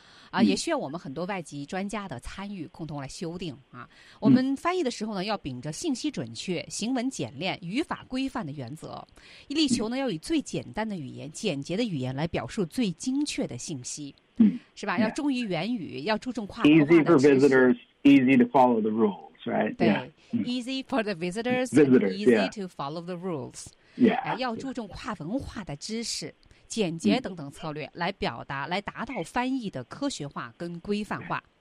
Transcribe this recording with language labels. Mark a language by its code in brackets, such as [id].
[zh] 啊，也需要我们很多外籍专家的参与，共同来修订啊。我们翻译的时候呢，要秉着信息准确、行文简练、语法规范的原则，力求呢要以最简单的语言、简洁的语言来表述最精确的信息，是吧？要忠于原语，要注重跨文化的知识。 [en] Easy for visitors, easy to follow the rules, right? [zh] 对、 [en] yeah. ，easy for the visitors, visitors easy to follow the rules. Yeah，、 [zh] 要注重跨文化的知识。简洁等等策略来表达，来达到翻译的科学化跟规范化。